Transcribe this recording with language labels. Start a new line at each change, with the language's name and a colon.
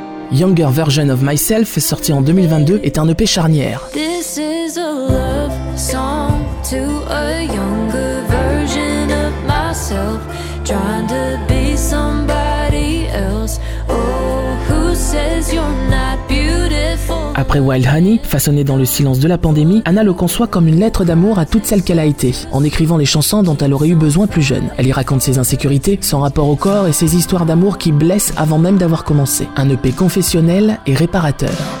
French: Younger Version of Myself, sorti en 2022, est un EP charnière.
English: This is a love song to a younger version of myself, trying to be somebody else. Oh, who says you're not beautiful?
French: Après Wild Honey, façonnée dans le silence de la pandémie, Anna le conçoit comme une lettre d'amour à toute celle qu'elle a été, en écrivant les chansons dont elle aurait eu besoin plus jeune. Elle y raconte ses insécurités, son rapport au corps et ses histoires d'amour qui blessent avant même d'avoir commencé. Un EP confessionnel et réparateur.